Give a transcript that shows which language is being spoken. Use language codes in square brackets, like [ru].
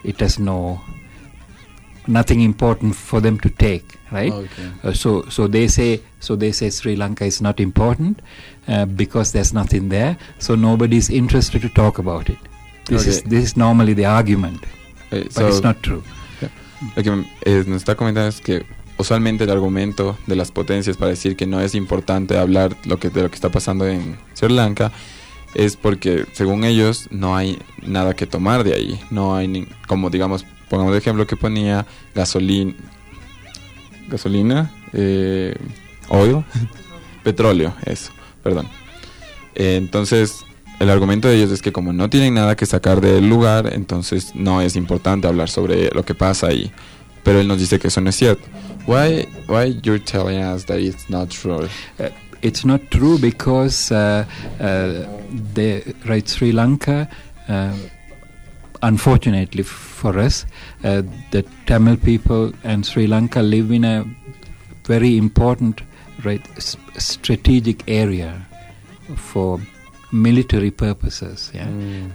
[en] It has nothing important for them to take, right? Okay. So they say Sri Lanka is not important because there's nothing there. So nobody's interested to talk about it. This is normally the argument, but it's not true. [es] Lo que nos está comentando es que usualmente el argumento de las potencias para decir que no es importante hablar de lo que está pasando en Sri Lanka es porque, según ellos, no hay nada que tomar de ahí. No hay, pongamos el ejemplo que ponía, gasolina, oil, petróleo, eso, perdón. Entonces, el argumento de ellos es que como no tienen nada que sacar del lugar, entonces no es importante hablar sobre lo que pasa ahí. Pero él nos dice que eso no es cierto. [en] Why you're telling us that it's not true? It's not true because Sri Lanka, unfortunately for us, the Tamil people and Sri Lanka live in a very important strategic area for military purposes. Yeah? Mm.